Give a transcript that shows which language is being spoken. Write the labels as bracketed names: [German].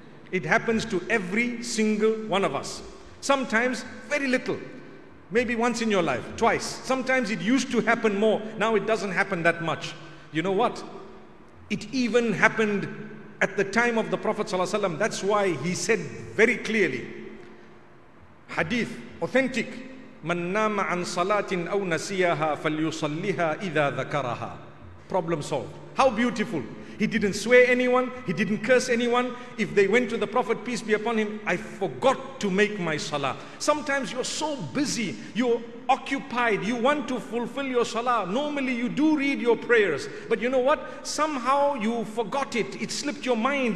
[English] It happens to every single one of us. Sometimes very little. Maybe once in your life, twice. Sometimes it used to happen more. Now it doesn't happen that much. You know what? It even happened at the time of the Prophet Sallallahu Alaihi Wasallam. That's why he said very clearly, hadith, authentic, [Arabic] مَنْ نَامَ عَنْ صَلَاتٍ أَوْ نَسِيَهَا فَلْيُصَلِّهَا إِذَا ذَكَرَهَا. [English] Problem solved. How beautiful. He didn't swear anyone. He didn't curse anyone. If they went to the Prophet, peace be upon him, I forgot to make my salah. Sometimes you're so busy, you're occupied, you want to fulfill your salah. Normally you do read your prayers. But you know what? Somehow you forgot it. It slipped your mind.